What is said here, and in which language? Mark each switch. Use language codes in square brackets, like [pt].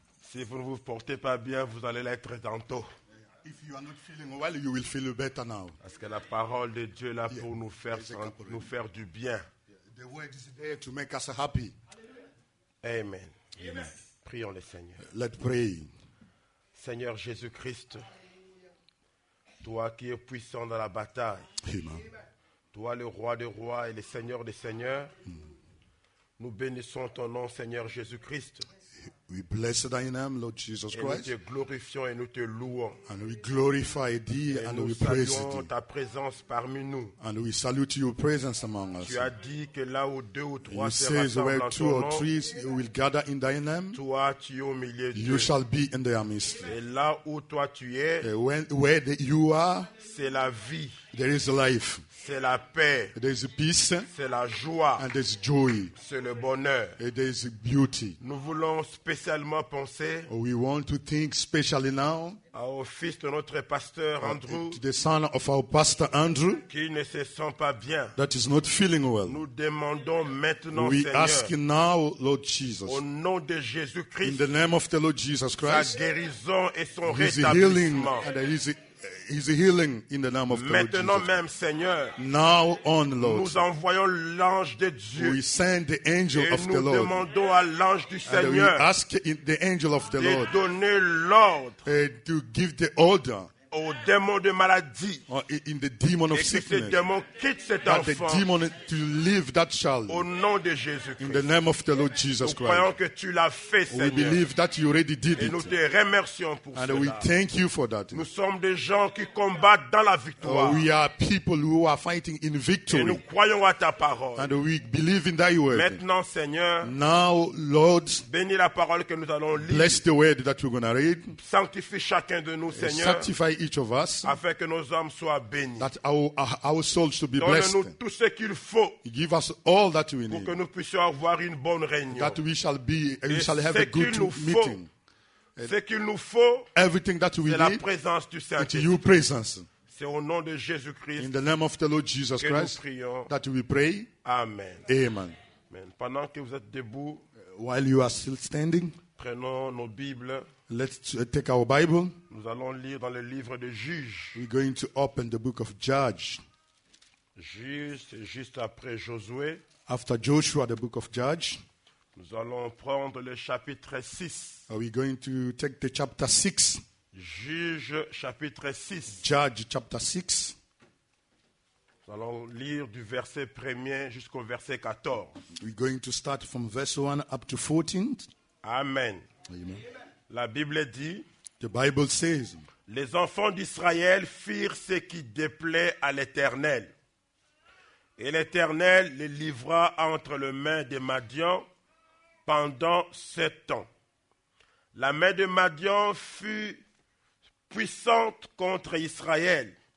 [fr] Si vous ne vous portez pas bien, vous allez l'être tantôt. [en] If you are not feeling well, you will feel better now. [fr] Parce que la parole de Dieu là pour nous faire nous faire du bien. [en] The word is there to make us happy. Amen. Amen. [fr] Prions le Seigneur. [en] Let's pray. [fr] Seigneur Jésus-Christ, toi qui es puissant dans la bataille, Amen. Toi le roi des rois et le seigneur des seigneurs, nous bénissons ton nom, Seigneur Jésus-Christ. [en] We bless thy name, Lord Jesus Christ. [fr] Et nous te glorifions et nous te louons. [en] And we glorify thee and we praise thee. [fr] Et nous saluons ta présence parmi nous. [en] And we salute your presence among us. [fr] Tu as dit que là où deux ou trois se rassemblent en ton nom, [en] where two or three will gather in thy name, [fr] toi tu es au milieu d'eux. [en] You shall be in their midst. [fr] Et là où toi tu es, [en] where you are, [fr] c'est la vie. [en] There is life. [fr] C'est la paix. [en] There is peace. [fr] C'est la joie. [en] And there is joy. [fr] C'est le bonheur. [en] And there is beauty. [fr] Nous voulons spécialement penser. [en] We want to think specially now. [fr] Au fils de notre pasteur Andrew. [en] To the son of our pastor Andrew. [fr] Qui ne se sent pas bien. [en] That is not feeling well. [fr] Nous demandons maintenant, [en] we [fr] Seigneur. [en] We ask now, Lord Jesus. [fr] Au nom de Jésus Christ. [en] In the name of the Lord Jesus Christ. [fr] Sa guérison et son rétablissement. [en] His healing in the name of God. [fr] Maintenant [en] Jesus. [fr] Même, Seigneur. [en] Now on, Lord. [fr] Nous envoyons l'ange de Dieu. [en] We send the angel [fr] et [en] of the Lord. [fr] Nous demandons à l'ange du Seigneur. [en] And we ask the angel of the [fr] de [en] Lord. [fr] Donner l'ordre. [en] To give the order. [fr] Au démon de maladie. [en] In the demon of sickness. [fr] Et que ce démon quitte cet [en] that [fr] enfant. [en] The demon to leave that child. [fr] Au nom de Jésus Christ. [en] In the name of the Lord Jesus [fr] nous [en] Christ. [fr] Nous croyons que tu l'as fait, Seigneur. [en] We believe that you already did [fr] et [en] it. [fr] Et nous te remercions pour [en] and [fr] cela. [en] And we thank you for that. [fr] Nous sommes des gens qui combattent dans la victoire. [en] We are people who are fighting in victory. [fr] Et nous croyons à ta parole. [en] And we believe in thy word. [fr] Maintenant, Seigneur. [en] Now, Lord. [fr] Bénis la parole que nous allons lire. [en] Bless the word that we're going to read. [fr] Sanctifie chacun de nous, Seigneur. [en] Sanctify each of us, [fr] afin que nos âmes soient bénies. [en] That our souls should be [fr] Donne [en] blessed. [fr] Donne-nous tout ce qu'il faut. [en] Give us all that we need. [fr] Pour que nous puissions avoir une bonne réunion. [en] That we shall be, we shall have a good meeting. [fr] Ce qu'il nous faut. [en] Everything that we [fr] c'est [en] need. [fr] C'est la présence du Saint-Esprit. [en] It's your presence. [fr] C'est au nom de Jésus-Christ. [en] In the name of the Lord Jesus Christ. [fr] Que nous prions. [en] That we pray. Amen. Amen. Amen. [fr] Pendant que vous êtes debout. [en] While you are still standing. [fr] Prenons nos Bibles. [en] Let's take our Bible. [fr] Nous allons lire dans le livre de Juges. [en] We're going to open the book of Judges. [fr] Juges, juste après Josué. [en] After Joshua, the book of Judges. [fr] Nous allons prendre le chapitre 6. [en] Are we going to take the chapter 6? [fr] Juges, chapitre 6. [en] Judges, chapter 6. [fr] Nous allons lire du verset 1 jusqu'au verset 14. [en] We're going to start from verse 1 up to 14. Amen. Amen. [fr] La Bible dit, [en] the Bible says, [fr] les enfants d'Israël firent ce qui déplaît à l'Éternel. Et l'Éternel les livra entre les mains de Madian pendant 7 ans. La main de Madian fut puissante contre Israël.